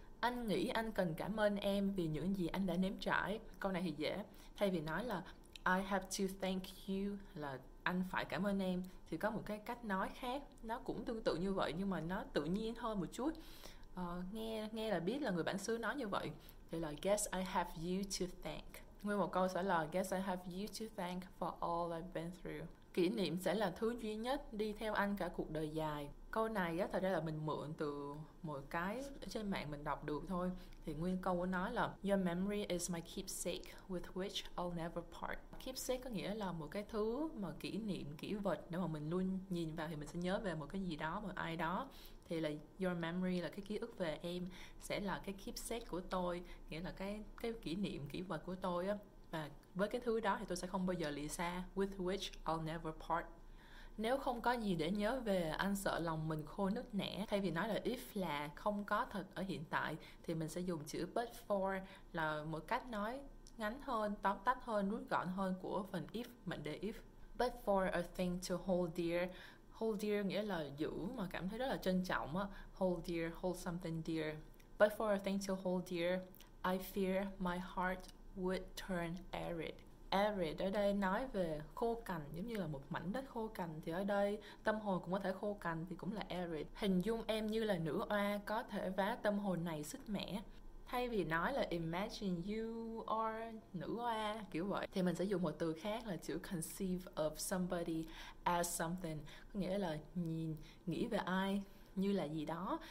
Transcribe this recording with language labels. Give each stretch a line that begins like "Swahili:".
Vietnamese: Anh nghĩ anh cần cảm ơn em vì những gì anh đã nếm trải. Câu này thì dễ. Thay vì nói là
English: I have to thank you,
Vietnamese: là anh phải cảm ơn em, thì có một cái cách nói khác, nó cũng tương tự như vậy nhưng mà nó tự nhiên hơn một chút. Nghe là biết là người bản xứ nói như vậy. Thì là
English: guess I have you to thank.
Vietnamese: Nguyên một câu sẽ là
English: guess I have you to thank for all I've been through.
Vietnamese: Kỷ niệm sẽ là thứ duy nhất đi theo anh cả cuộc đời dài. Câu này á, thật ra là mình mượn từ một cái trên mạng mình đọc được thôi. Thì nguyên câu của nó là
English: "Your memory is my keepsake with which I'll never part."
Vietnamese: Keepsake có nghĩa là một cái thứ mà kỷ niệm, kỷ vật. Nếu mà mình luôn nhìn vào thì mình sẽ nhớ về một cái gì đó, một ai đó. Thì là your memory là cái ký ức về em sẽ là cái keepsake của tôi, nghĩa là cái kỷ niệm, kỷ vật của tôi á. Và với cái thứ đó thì tôi sẽ không bao giờ lìa xa.
English: With which I'll never part.
Vietnamese: Nếu không có gì để nhớ về, anh sợ lòng mình khô nứt nẻ. Thay vì nói là if là không có thật ở hiện tại, thì mình sẽ dùng chữ but for là một cách nói ngắn hơn, tóm tắt hơn, rút gọn hơn của phần if, mệnh đề if.
English: But for a thing to hold dear.
Vietnamese: Hold dear nghĩa là giữ mà cảm thấy rất là trân trọng á.
English: Hold dear, hold something dear. But for a thing to hold dear, I fear my heart would turn arid.
Vietnamese: Arid ở đây nói về khô cằn, giống như là một mảnh đất khô cằn, thì ở đây tâm hồn cũng có thể khô cằn thì cũng là arid. Hình dung em như là nữ oa có thể vá tâm hồn này sứt mẻ. Thay vì nói là imagine you are nữ oa kiểu vậy, thì mình sẽ dùng một từ khác là chữ
English: conceive of somebody as something,
Vietnamese: có nghĩa là nhìn, nghĩ về ai như là gì đó.